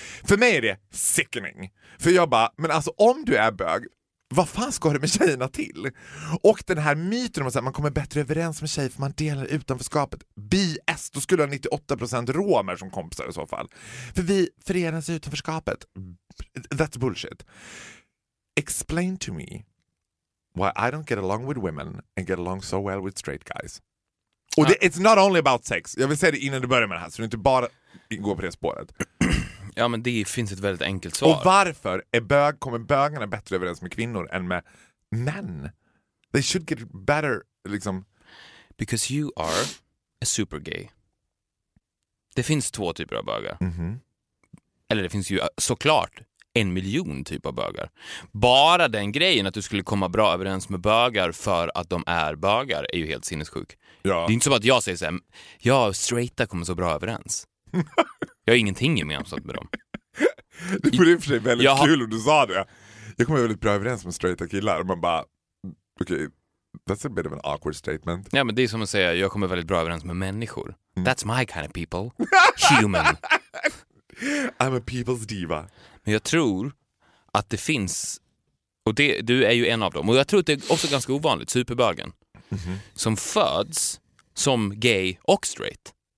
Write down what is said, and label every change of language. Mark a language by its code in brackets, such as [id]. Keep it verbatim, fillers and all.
[sv] För mig är det sickening. För jag bara, men alltså om du är bög, vad fan ska du med tjejerna till? Och den här myten om att man kommer bättre överens med tjejer för man delar utanförskapet. B S, då skulle ha nittioåtta procent romer som kompisar i så fall. För vi förenas i utanförskapet. [en] That's bullshit. Explain to me why I don't get along with women and get along so well with straight guys. [sv] Och det, [en] it's not only about sex. [sv] Jag vill säga det innan du börjar med det här så du inte bara går på det spåret. Ja, men det finns ett väldigt enkelt svar. Och varför är bög, kommer bögarna bättre överens med kvinnor än med män? [en] They should get better, [sv] liksom. [en] Because you are a super gay. [sv] Det finns två typer av bögar. Mm-hmm. Eller det finns ju såklart en miljon typ av bögar. Bara den grejen att du skulle komma bra överens med bögar för att de är bögar är ju helt sinnessjuk. Ja. Det är inte som att jag säger så här, ja, straighta kommer så bra överens. Jag har ingenting gemensamt med dem. Det vore i och för sig väldigt jag kul om du sa det. Jag kommer väldigt bra överens med straighta killar. Man bara, okej, [en] okay, that's a bit of an awkward statement. [sv] Ja, men det är som att säga, jag kommer väldigt bra överens med människor. [en] Mm. That's my kind of people. Human. I'm a people's diva. [sv] Men jag tror att det finns, och det, du är ju en av dem. Och jag tror att det är också ganska ovanligt, superbögen. Mm-hmm. Som föds som gay och straight.